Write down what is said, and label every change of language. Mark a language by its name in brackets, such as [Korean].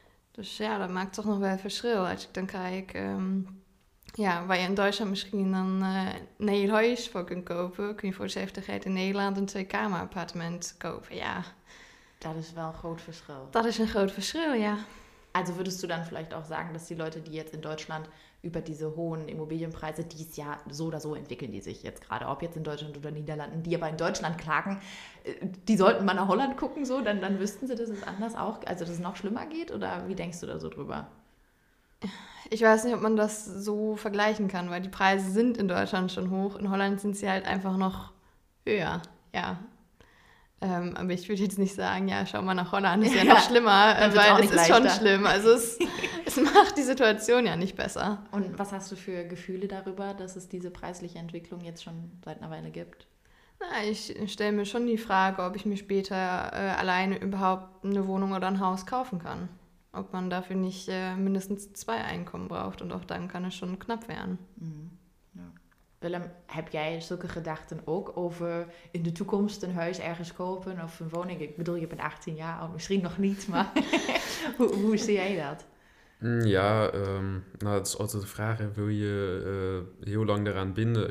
[Dutch] Dus ja, dat maakt toch nog wel verschil. Als ik dan kijk, waar je in Duitsland misschien dan een huis voor kunt kopen, kun je voor de zeventigheid in Nederland een 2-kamer-appartement kopen, ja. Dat is wel een groot verschil. Dat is een groot verschil, ja. [German] Also würdest du dann vielleicht auch sagen, dass die Leute, die jetzt in Deutschland über diese hohen Immobilienpreise, die es ja so oder so entwickeln, die sich jetzt gerade, ob jetzt in Deutschland oder Niederlanden, die aber in Deutschland klagen, die sollten mal nach Holland gucken, so, dann wüssten sie, dass es anders auch, also dass es noch schlimmer geht? Oder wie denkst du da so drüber? Ich weiß nicht, ob man das so vergleichen kann, weil die Preise sind in Deutschland schon hoch, in Holland sind sie halt einfach noch höher, ja. Aber ich würde jetzt nicht sagen, ja, schau mal nach Holland, ist ja, ja noch schlimmer, weil es ist leichter. Schon schlimm. Also es macht die Situation ja nicht besser. Und was hast du für Gefühle darüber, dass es diese preisliche Entwicklung jetzt schon seit einer Weile gibt? Na, ich stelle mir schon die Frage, ob ich mir später alleine überhaupt eine Wohnung oder ein Haus kaufen kann. Ob man dafür nicht mindestens 2 Einkommen braucht und auch dann kann es schon knapp werden. Mhm. [Dutch] Willem, heb jij zulke gedachten ook over in de toekomst een huis ergens kopen of een woning? Ik bedoel, je bent 18 jaar oud, misschien nog niet, maar hoe zie jij dat? Ja, het is altijd de vraag, wil je heel lang daaraan binden?